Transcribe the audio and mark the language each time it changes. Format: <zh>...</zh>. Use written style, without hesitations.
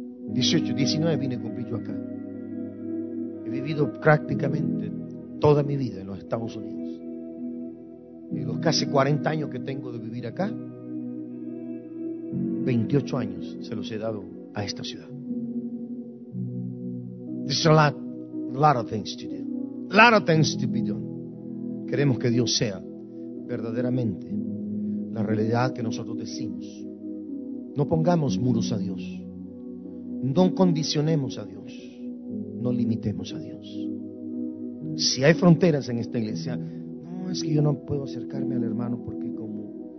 <es>18, 19 vine a cumplir yo acá. He vivido prácticamente toda mi vida en los Estados Unidos. En los casi 40 años que tengo de vivir acá, 28 años se los he dado a esta ciudad.</es> <en>There's a lot of things to do. A lot of things to be done.</en> <es>Queremos que Dios sea verdaderamente la realidad que nosotros decimos. No pongamos muros a Dios. No condicionemos a Dios. No limitemos a Dios. Si hay fronteras en esta iglesia, no, es que yo no puedo acercarme al hermano porque como...</es>